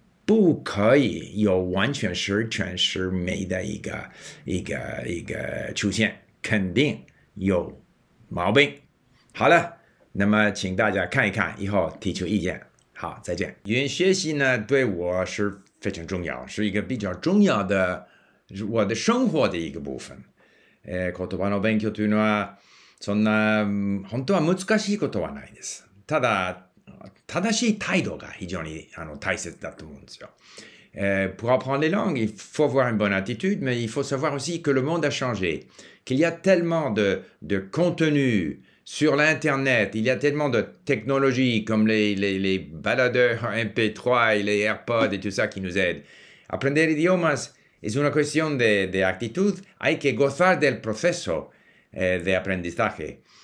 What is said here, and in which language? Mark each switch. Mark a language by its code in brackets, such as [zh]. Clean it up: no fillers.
[zh] 不可以有完全十全十美的一个出现，肯定有毛病。好了，那么请大家看一看，以后提出意见。好，再见。语言学习呢，对我是非常重要，是一个比较重要的我的生活的一个部分。 [ja] 言葉の勉強というのは、そんな本当は難しいことはないです。ただ、正しい態度が非常に大切だと思うんですよ。 [fr] Pour apprendre les langues, il faut avoir une bonne attitude, mais il faut savoir aussi que le monde a changé, qu'il y a tellement de contenu sur l'Internet, il y a tellement de technologies comme les baladeurs MP3 et les AirPods et tout ça qui nous aident. [es] Aprender idiomas es una cuestión de actitud, hay que gozar del proceso de aprendizaje.